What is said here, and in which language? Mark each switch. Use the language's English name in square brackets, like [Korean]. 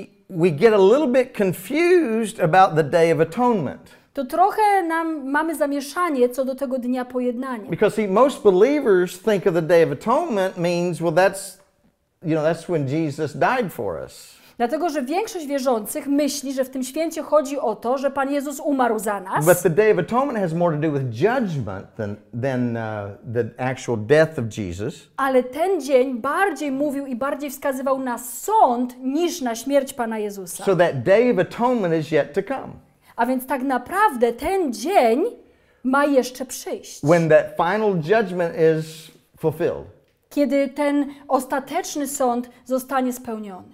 [English] we get a little bit confused about the Day of Atonement. [Polish] To trochę nam mamy zamieszanie co do tego Dnia Pojednania. [English] Because see, most believers think of the Day of Atonement means, well, that's when Jesus died for us. [Polish] Dlatego, że większość wierzących myśli, że w tym święcie chodzi o to, że Pan Jezus umarł za nas. [English] But the Day of Atonement has more to do with judgment than the actual death of Jesus. [Polish] Ale ten dzień bardziej mówił i bardziej wskazywał na sąd niż na śmierć Pana Jezusa. [English] So that Day of Atonement is yet to come. [Polish] A więc tak naprawdę ten dzień ma jeszcze przyjść. [English] When that final judgment is fulfilled. [Polish] Kiedy ten ostateczny sąd zostanie spełniony.